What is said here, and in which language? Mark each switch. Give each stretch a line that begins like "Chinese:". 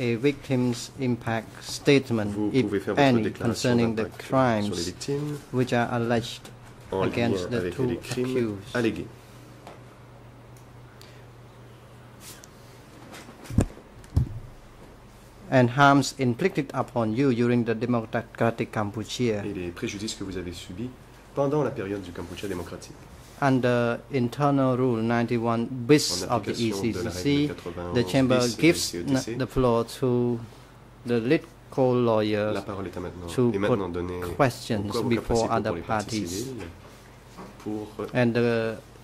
English: a victim's impact statement, if any, concerning the crimes which are alleged against the two accused.
French: Allégués.
English: And harms inflicted upon you during the democratic Cambodia.
French: Et les préjudices que vous avez subis pendant la période du Cambodia démocratique.
English: Under internal rule 91 bis of the ECCC, the chamber gives the floor to the lead co-lawyer to put questions before other parties.
French: Pour
English: and the